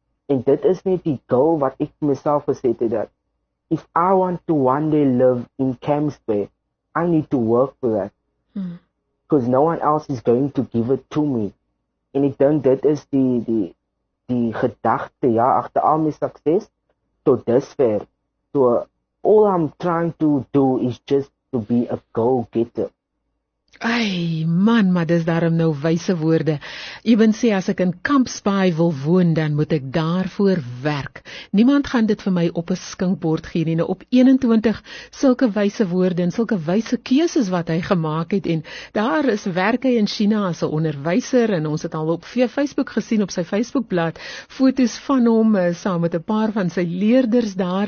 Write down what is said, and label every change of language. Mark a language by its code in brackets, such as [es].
[af] En dit is net die goal wat ek myself gesê het, dat [en] if I want to one day live in Camps Bay, I need to work for that. Because no one else is going to give it to me. [af] En ek dink dit is die gedagte, ja, achter al my sukses tot dusver. [en] So all I'm trying to do is just to be a go-getter. [af] Ai man, maar dis daarom nou wyse woorde. Eben sê, as ek in Camps Bay wil woon, dan moet ek daarvoor werk. Niemand gaan dit vir my op 'n skinkbord gee nie. Nou, op 21 sulke wyse woorde en sulke wyse keuses wat hy gemaak het. En daar is werk hy in China as 'n onderwyser. En ons het al op Facebook gesien, op sy Facebookblad, foto's van hom, saam met 'n paar van sy leerders daar.